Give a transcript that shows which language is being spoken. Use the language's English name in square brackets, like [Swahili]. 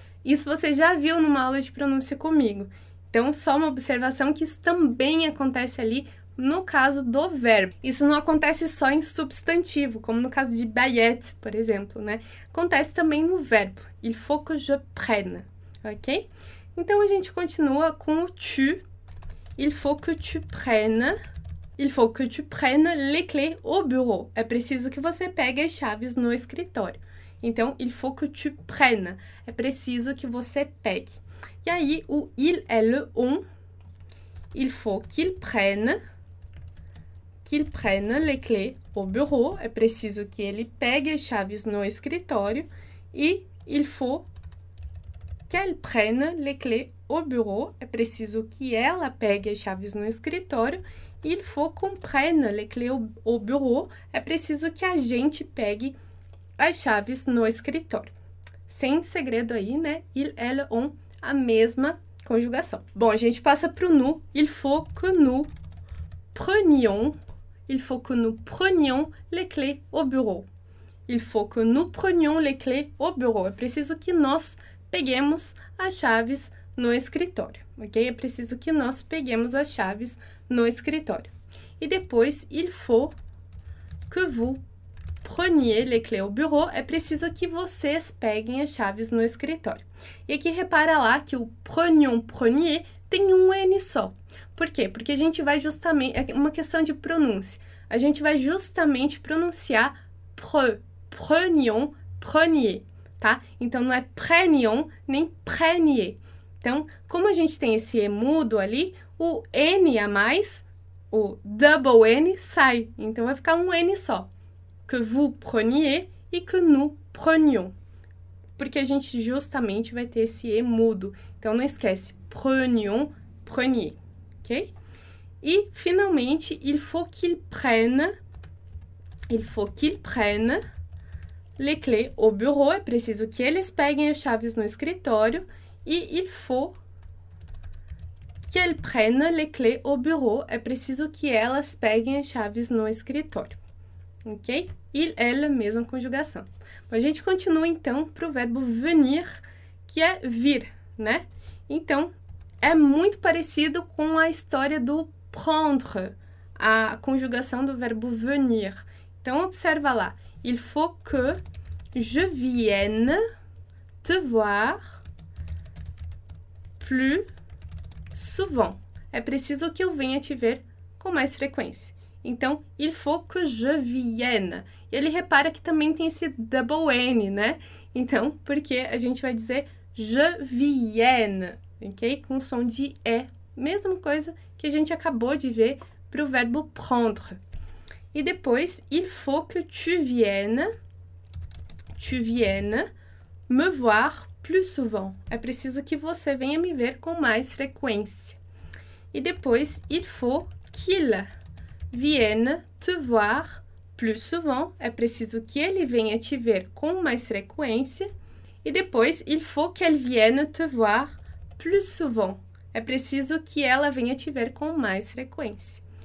[Portuguese] Isso você já viu numa aula de pronúncia comigo. Então, só uma observação que isso também acontece ali no caso do verbo. Isso não acontece só em substantivo, como no caso de baguette, por exemplo, né? Acontece também no verbo. [French] Il faut que je prenne, [Portuguese] ok? Então, a gente continua com o tu. [French] Il faut que tu prennes. Il faut que tu prennes les clés au bureau. [Portuguese] É preciso que você pegue as chaves no escritório. Então, [French] il faut que tu prennes. [Portuguese] É preciso que você pegue. E aí, o il é le on. [French] Il faut qu'il prenne les clés au bureau. [Portuguese] É preciso que ele pegue as chaves no escritório. [French] E il faut qu'elle prenne les clés au bureau. [Portuguese] É preciso que ela pegue as chaves no escritório. [French] Il faut qu'on prenne les clés au bureau. [Portuguese] É preciso que a gente pegue as chaves no escritório. Sem segredo aí, né? Il, elle, on, a mesma conjugação. Bom, a gente passa para o nous. [French] Il faut que nous prenions. Il faut que nous prenions les clés au bureau. Il faut que nous prenions les clés au bureau. [Portuguese] É preciso que nós peguemos as chaves no escritório, ok? É preciso que nós peguemos as chaves no escritório. E depois, [French] il faut que vous preniez les clés au bureau. [Portuguese] É preciso que vocês peguem as chaves no escritório. E aqui, repara lá que o prenion, prenier, tem um N só. Por quê? Porque a gente vai justamente... É uma questão de pronúncia. A gente vai justamente pronunciar prenion, prenier, tá? Então, não é prenion, nem prenier. Então, como a gente tem esse E mudo ali, o N a mais, o double N, sai. Então, vai ficar um N só. [French] Que vous preniez e que nous prenions. [Portuguese] Porque a gente justamente vai ter esse E mudo. Então, não esquece. Prenions, preniez. Ok? [French] E, finalmente, il faut qu'il prenne. Il faut qu'il prenne les clés au bureau. [Portuguese] É preciso que eles peguem as chaves no escritório. [French] E il faut qu'elles prennent les clés au bureau. [Portuguese] É preciso que elas peguem as chaves no escritório. Ok? Il, elle, mesma conjugação. A gente continua, então, para o verbo venir, que é vir, né? Então, é muito parecido com a história do prendre, a conjugação do verbo venir. Então, observa lá. [French] Il faut que je vienne te voir plus souvent. [Portuguese] É preciso que eu venha te ver com mais frequência. Então, [French] il faut que je vienne. [Portuguese] E ele repara que também tem esse double N, né? Então, porque a gente vai dizer je vienne, ok? Com som de E. Mesma coisa que a gente acabou de ver para o verbo prendre. [French] E depois, il faut que tu viennes me voir plus souvent. [Portuguese] É preciso que você venha me ver com mais frequência. E depois, [French] il faut qu'il vienne te voir plus souvent. [Portuguese] É preciso que ele venha te ver com mais frequência. E depois, [French] il faut qu'elle vienne te voir plus souvent. [Portuguese] É preciso que ela venha te ver com mais frequência.